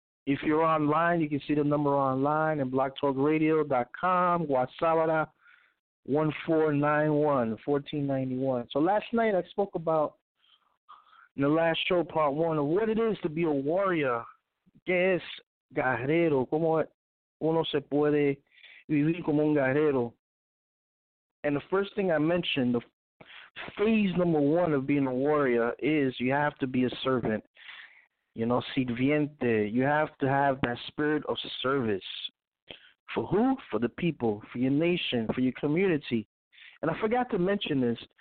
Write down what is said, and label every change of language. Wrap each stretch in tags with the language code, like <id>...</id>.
<en>If you're online, you can see the number online at blogtalkradio.com, Guasabara 1491. So last night I spoke about, in the last show, part one, of what it is to be a warrior.</en> <es>¿Qué es guerrero? ¿Cómo uno se puede vivir como un guerrero?</es> <en>And the first thing I mentioned, the phase number one of being a warrior is you have to be a servant. You know, sirviente. You have to have that spirit of service. For who? For the people, for your nation, for your community. And I forgot to mention this.</en>